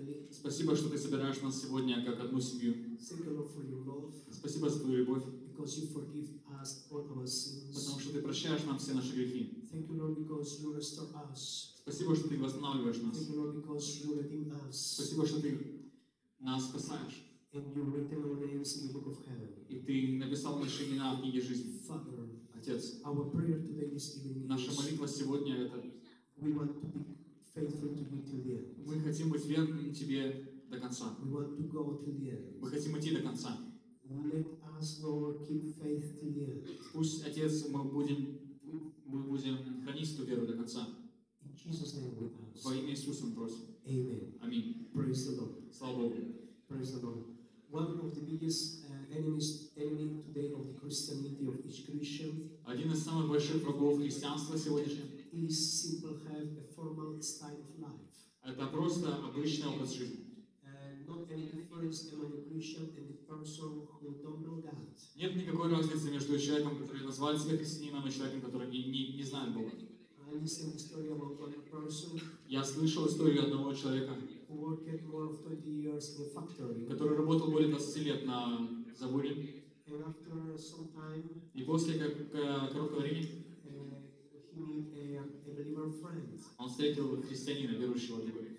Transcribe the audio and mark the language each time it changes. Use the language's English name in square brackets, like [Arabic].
[Russian] Спасибо, что ты собираешь нас сегодня как одну семью. Спасибо за твою любовь. [English] Because you forgive us all our sins. [Russian] Потому что ты прощаешь нам все наши грехи. [English] Thank you, Lord, because you restore us. [Russian] Спасибо, что ты восстанавливаешь нас. [English] Thank you, Lord, because you redeem us. [Russian] Спасибо, что ты нас спасаешь. [English] And you written our names in the book of heaven. [Russian] И ты написал наши имена в книге жизни. [English] Father, [Russian] Отец, [English] our prayer today is even. [Russian] Наша молитва сегодня это. [English] We want to be faithful to you till the end. [Russian] Мы хотим быть верными тебе до конца. [English] We want to go till the end. [Russian] Мы хотим идти до конца. [English] Let us, Lord, keep faith till the end. [Russian] Пусть, Отец, мы будем хранить эту веру до конца. [English] In Jesus' name we ask. [Russian] Во имя Иисуса мы просим. [English] Amen. [Russian] Аминь. [English] Praise the Lord. [Russian] Слава Богу. [English] Praise the Lord. One of the biggest enemies today of the Christianity of each Christian. [Russian] Один из самых больших врагов христианства сегодня. [English] Is simple have a formal style of life. [Russian] Это просто обычный образ жизни. [English] Not any difference among a Christian and a person who don't know God. [Russian] Нет никакой разницы между человеком, который назвал себя христианином, и человеком, который не знает Бога. [English] I listened to a story about one person. [Russian] Я слышал историю одного человека. [English] Worked more of 20 years in a factory. [Russian] Который работал более 20 лет на заводе. [English] And after some time. [Russian] И после короткого времени. [English] He met a believer friend. [Russian] Он встретил христианина верующего друга.